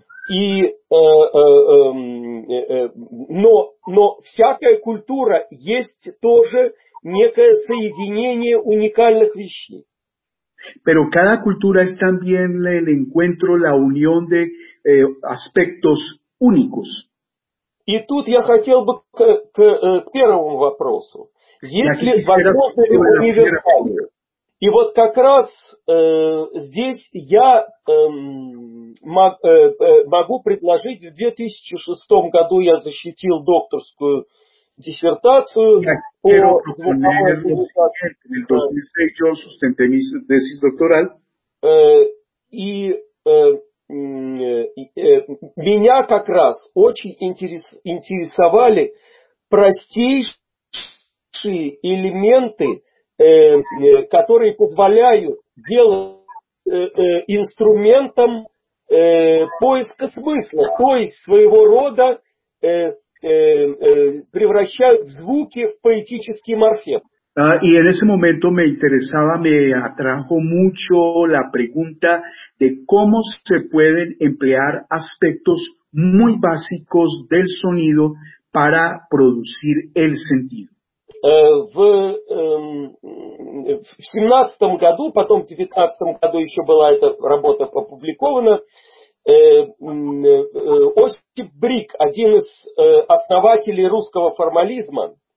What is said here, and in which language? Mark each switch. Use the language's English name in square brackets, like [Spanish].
[Russian] И, но всякая культура есть тоже некое соединение уникальных вещей. [Spanish] Pero cada cultura es también el encuentro, la unión de aspectos únicos. [Russian] Y тут я хотел бы к первому вопросу. Есть ли возможность универсальной? И вот как раз здесь я могу предложить, в 2006 году я защитил докторскую диссертацию по звуковой и меня как раз очень интересовали простейшие элементы, которые позволяют делать инструментом поиска смысла, то есть своего рода превращают звуки в поэтический морфем. [Spanish] Y en ese momento me interesaba, me atrajo mucho la pregunta de cómo se pueden emplear aspectos muy básicos del sonido para producir el sentido. [Russian] В 17 году, потом в 19 году еще была эта работа опубликована. Осип Брик, один из основателей русского формализма,